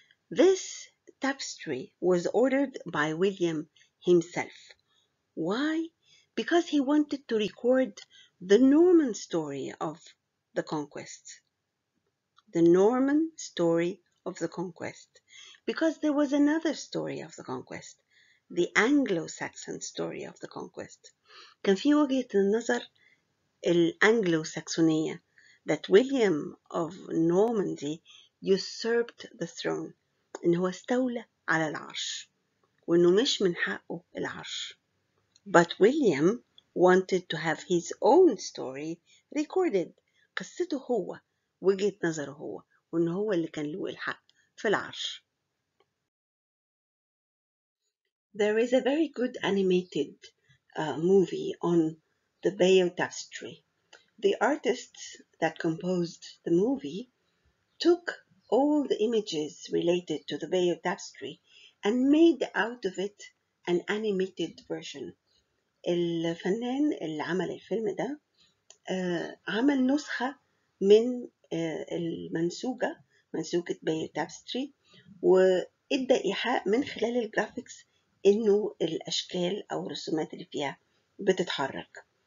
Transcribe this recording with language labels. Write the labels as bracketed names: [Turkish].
[English] This tapestry was ordered by William himself. Why? Because he wanted to record the Norman story of the conquest. The Norman story of the conquest. Because there was another story of the conquest. The Anglo-Saxon story of the conquest. [Arabic] كان في وجهة النظر الأنجلو-ساكسونية [English] that William of Normandy usurped the throne. [Arabic] إن هو استولى على العرش. وإنه مش من حقه العرش. [English] But William wanted to have his own story recorded. [Arabic] قصته هو وجهة نظره هو وإن هو اللي كان له الحق في العرش. [English] There is a very good animated movie on the Bayeux Tapestry. The artists that composed the movie took all the images related to the Bayeux Tapestry and made out of it an animated version. [Arabic] الفنان اللي عمل الفيلم ده عمل نسخة من المنسوجة منسوجة بايو تابستري وإدى إيحاء من خلال الجرافيكس إنه الأشكال أو الرسومات اللي فيها بتتحرك.